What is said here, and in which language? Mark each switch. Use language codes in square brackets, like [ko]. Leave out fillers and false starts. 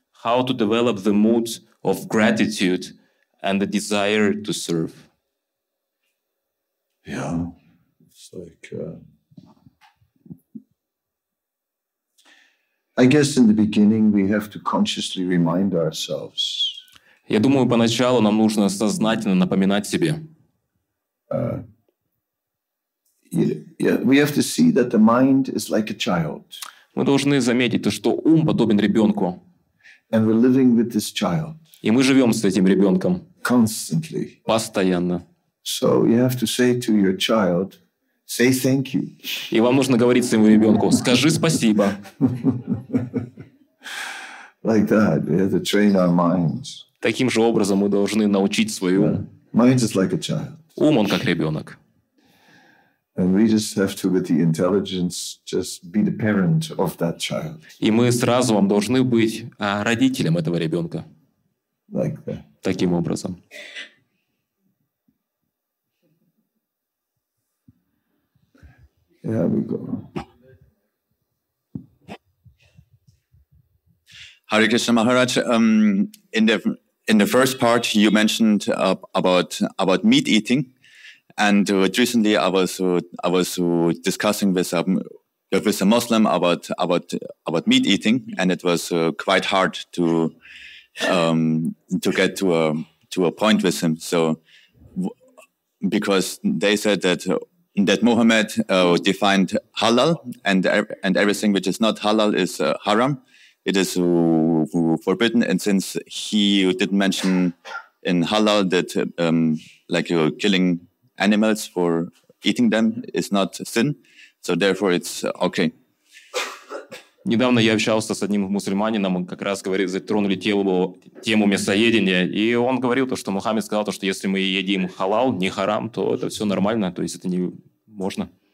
[en] How to develop the mood of gratitude and the desire to serve. Yeah. It's like... I guess in the beginning we have to consciously remind ourselves. [ru] Я думаю, поначалу нам нужно сознательно напоминать себе. [en] We have to see that the mind is like a child. [ru] Мы должны заметить, что ум подобен ребенку. [en] And we're living with this child. [ru] И мы живем с этим ребенком. [en] Constantly. [ru] Постоянно. [en] So you have to say to your child, say thank you. [ru] И вам нужно говорить своему ребенку, скажи спасибо. [en] Like that, we have to train our minds. [ru] Таким же образом мы должны научить свой ум. [en] Mind is like a child. [ru] Ум, он как ребенок. [en] And we just have to, with the intelligence, just be the parent of that child. [ru] И мы с разумом должны быть родителем этого ребенка. [en] Like that. [ru] Таким образом. [en] Here we go. Hare Krishna Maharaj. In the first part, you mentioned about meat eating, and recently I was discussing with a Muslim about meat eating, and it was quite hard to get to a point with him. So because they said that that Muhammad defined halal, and everything which is not halal is haram. It is forbidden, and since he didn't mention in halal that like killing animals for eating them is not sin, so therefore it's okay. [ru] Недавно я общался с одним мусульманином, как раз говорил, затронули тему мясоедения, и он говорил то, что Мухаммед сказал то, что если мы едим халал, не харам, то это все нормально, то есть это не можно.